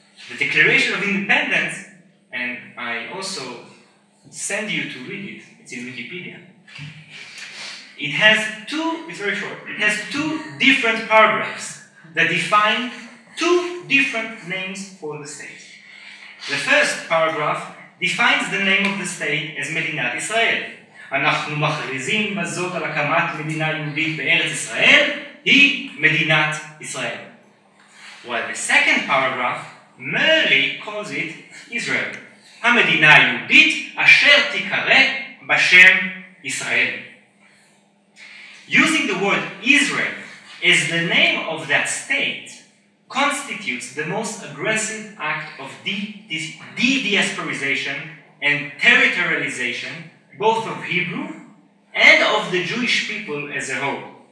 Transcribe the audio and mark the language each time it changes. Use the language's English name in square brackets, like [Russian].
[English] The Declaration of Independence, and I also send you to read it, it's in Wikipedia. It has two different paragraphs that define two different names for the state. The first paragraph defines the name of the state as Medinat Israel, [Hebrew] אנחנו מכריזים בזאת על הקמת מדינה יהודית בארץ ישראל, היא מדינת ישראל. [English] While the second paragraph merely calls it Israel, [Hebrew] המדינה היהודית אשר תיקרא בשם ישראל. [English] Using the word Israel as the name of that state constitutes the most aggressive act of de-diasporization and territorialization both of Hebrew and of the Jewish people as a whole.